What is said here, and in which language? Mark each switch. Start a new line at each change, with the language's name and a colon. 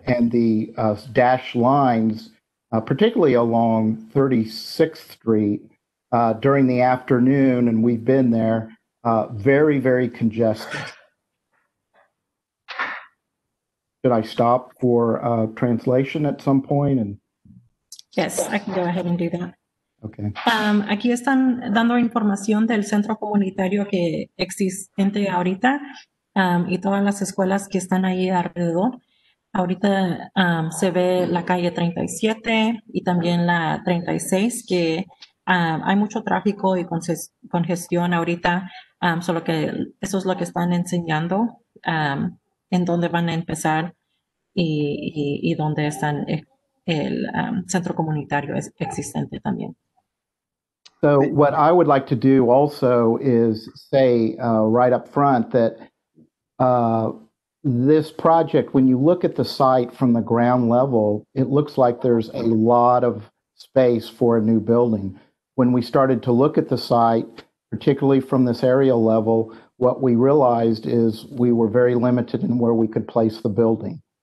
English: And the dashed lines, particularly along 36th Street during the afternoon, and we've been there, very, very congested. Should I stop for translation at some point? And yes, I can go ahead and do that. Okay.
Spanish: Aquí están dando información del centro comunitario que existe ahorita y todas las escuelas que están ahí alrededor. Ahorita se ve la calle 37 y también la 36, que hay mucho tráfico y congestión ahorita, solo que eso es lo que están enseñando en dónde van a empezar y dónde están el centro comunitario existente también.
English: So what I would like to do also is say right up front that this project, when you look at the site from the ground level, it looks like there's a lot of space for a new building. When we started to look at the site, particularly from this aerial level, what we realized is we were very limited in where we could place the building.